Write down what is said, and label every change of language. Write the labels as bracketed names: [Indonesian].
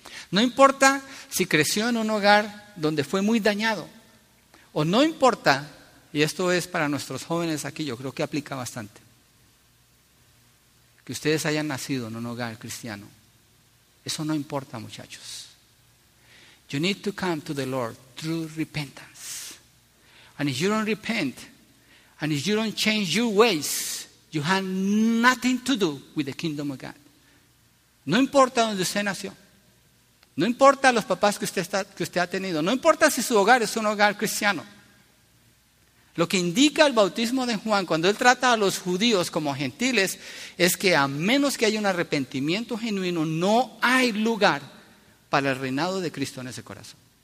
[Spanish] No importa si creció en un hogar donde fue muy dañado. O no importa, y esto es para nuestros jóvenes aquí, yo creo que aplica bastante. Que ustedes hayan nacido en un hogar cristiano. Eso no importa, muchachos. [English] You need to come to the Lord through repentance. And if you don't repent, and if you don't change your ways, you have nothing to do with the kingdom of God. [Spanish] No importa donde usted nació. No importa los papás que usted ha tenido. No importa si su hogar es un hogar cristiano. Lo que indica el bautismo de Juan cuando él trata a los judíos como gentiles es que a menos que haya un arrepentimiento genuino, no hay lugar para el reinado de Cristo en ese corazón.